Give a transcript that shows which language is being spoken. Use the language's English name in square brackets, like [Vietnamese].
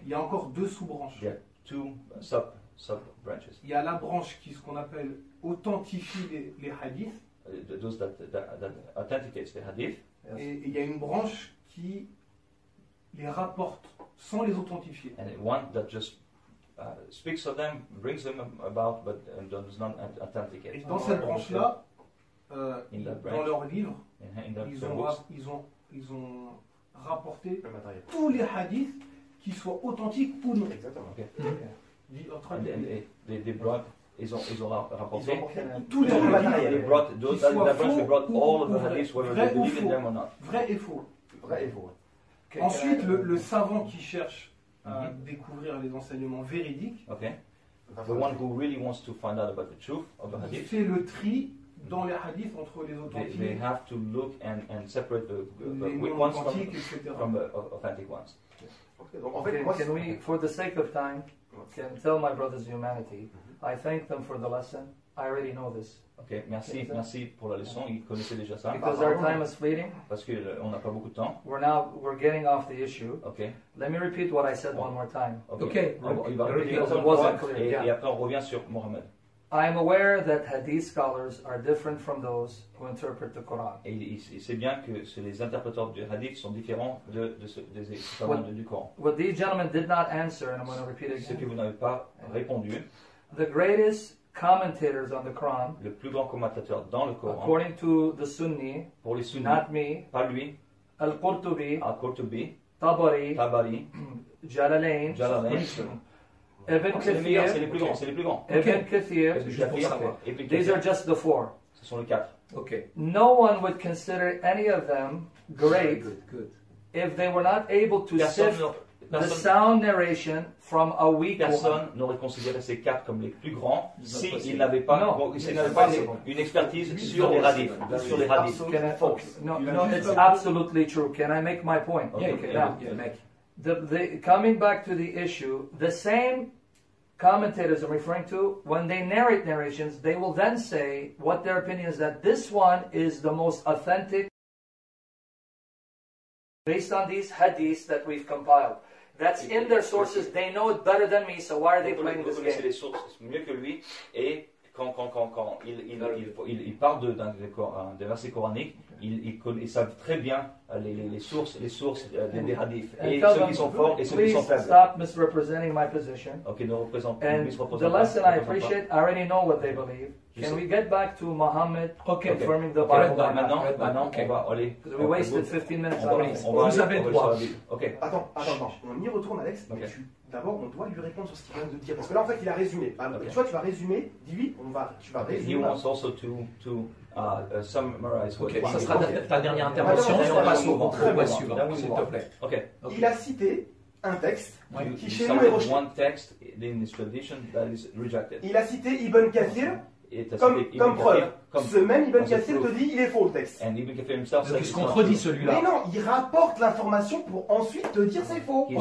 [French] il y a encore deux sous-branches. [English] Yeah, two sub-branches. [French] Il y a la branche qui est ce qu'on appelle authentifie les hadiths. [English] Those that authenticates the hadith. Yes. [French] Et il y a une branche qui les rapporte sans les authentifier. [English] And one that just speaks of them, brings them about, but does not authenticate. [French] Et dans cette branche-là, dans leurs livres, ils ont rapporté tous les hadiths, qu'ils soient authentiques ou non. Exactement. Ils ont rapporté tous les hadiths. Vrai et faux. [English] Okay. [French] Ensuite, le savant qui cherche à découvrir les enseignements véridiques. [English] Okay. The one who really wants to find out about the truth of the hadith. [French] Il fait le tri dans les hadiths entre les authentiques. [English] They have to look and separate the weak ones from the authentic ones. Can we, for the sake of time, can tell my brothers humanity? I thank them for the lesson. I already know this. [French] Okay, merci pour la leçon. Ils connaissaient déjà ça. [English] Because our time is fleeting. [French] Parce que on n'a pas beaucoup de temps. [English] We're getting off the issue. Okay. Let me repeat what I said one more time. Okay. Because it wasn't clear. [French] Et après on revient sur Mohammed. [English] I am aware that hadith scholars are different from those who interpret the Quran. [French] Et il sait bien que les interpréteurs du hadith sont différents du Coran. [English] What these gentlemen did not answer, and I'm going to repeat it again. [French] Ce que vous n'avez pas répondu. [English] The greatest commentators on the Quran, [French] le plus grand commentateur dans le Coran, [English] according to the Sunni, [French] pour les Sunnis, [English] not me, [French] pas lui, Al-Qurtubi, Al-Qurtubi, Tabari, Jalalain, Ibn Kathir, c'est les plus grands, c'est les plus grands. [English] Ibn Kathir, these are just the four. [French] Ce sont les quatre. [English] Okay. No one would consider any of them great good. If they were not able to sift the sound narration from a weak one. [French] Personne n'aurait considéré ces quatre comme les plus grands s'ils n'avaient pas, pas une expertise sur les radifs. Sur les radifs. [English] It's absolutely true. Can I make my point? Okay. Yeah. Coming back to the issue, the same commentators I'm referring to, when they narrate narrations, they will then say what their opinion is, that this one is the most authentic based on these hadiths that we've compiled. That's in their sources. They know it better than me. So why are they playing this game? [French] Vous connaissez les sources mieux que lui. Et quand il parle des versets coraniques, ils savent très bien les sources des hadiths. Et ceux qui sont forts et ceux qui sont faibles. [English] Stop misrepresenting my position. [French] Okay, ne représente pas. [English] And the lesson I appreciate, I already know what they believe. Can we get back to Muhammad confirming the Bible? [French] Okay, maintenant, on va aller. [English] We wasted 15 minutes. [French] Vous avez le droit. Okay. Attends. On y retourne, Alex. D'abord, on doit lui répondre sur ce qu'il vient de dire. Parce que là, en fait, il a résumé. Tu vois, tu vas résumer. Dis-lui, tu vas résumer. [English] He wants also to summarize. [French] Okay. Ça sera ta dernière intervention. On passe au point suivant, s'il te plaît. Okay. Il a cité un texte qui chez nous est rejeté. [English] One text in this tradition that is rejected. [French] Il a cité Ibn Kathir. Comme preuve, ce même Ibn Kathir te dit il est faux le texte. [English] Ibn Kathir himself [French] il se contredit celui-là. Mais non, il rapporte l'information pour ensuite te dire c'est faux.